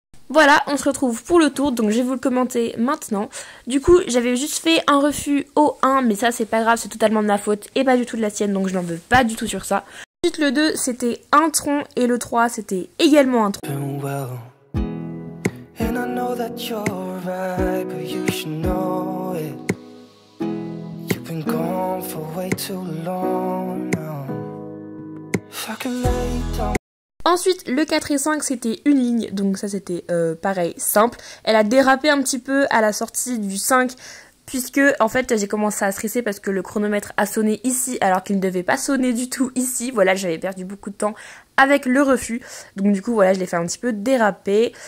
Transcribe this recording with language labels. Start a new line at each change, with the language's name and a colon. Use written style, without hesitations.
French: Voilà, on se retrouve pour le tour, donc je vais vous le commenter maintenant. Du coup, j'avais juste fait un refus au 1, mais ça c'est pas grave, c'est totalement de ma faute et pas du tout de la sienne, donc je n'en veux pas du tout sur ça. Ensuite, le 2 c'était un tronc et le 3 c'était également un tronc.
English: I know that you're right, but you should know it. You've been gone for way too long now. If I could lay down.
French: Ensuite, le 4 et 5, c'était une ligne, donc ça c'était pareil, simple. Elle a dérapé un petit peu à la sortie du 5. Puisque en fait j'ai commencé à stresser parce que le chronomètre a sonné ici alors qu'il ne devait pas sonner du tout ici. Voilà, j'avais perdu beaucoup de temps avec le refus. Donc du coup voilà, je l'ai fait un petit peu déraper.